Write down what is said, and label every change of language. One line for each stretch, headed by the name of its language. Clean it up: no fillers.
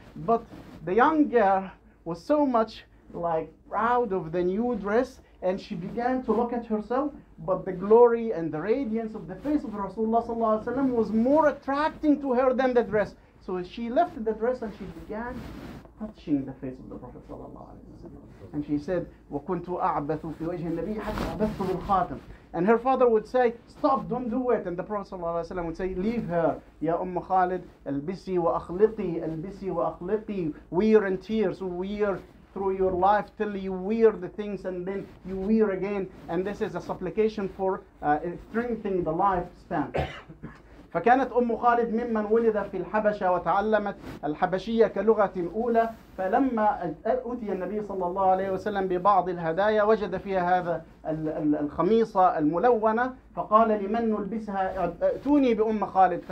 English: But the young girl was so much like proud of the new dress, and she began to look at herself, but the glory and the radiance of the face of Rasulullah sallallahu alaihi wasallam was more attracting to her than the dress. So she left the dress and she began touching the face of the Prophet ﷺ. And she said,
Arabic: وَكُنْتُ أَعْبَثُ فِي وَجْهِ النَّبِيِّ حَتَّى أَعْبَثُ بِالْخَاتِمِ.
English: And her father would say, stop, don't do it. And the Prophet ﷺ would say, leave her.
Arabic: يَا أُمَّ خَالِدْ أَلْبِسِي وَأَخْلِقِي أَلْبِسِي وَأَخْلِقِي.
English: Wear and tear. So wear through your life till you wear the things and then you wear again. And this is a supplication for strengthening the lifespan.
Arabic: فكانت أم خالد ممن ولد في الحبشة وتعلمت الحبشية كلغة أولى. فلما أتي النبي صلى الله عليه وسلم ببعض الهدايا وجد فيها هذا الخميصة الملونة, فقال لمن نلبسها؟ أتوني بأم خالد.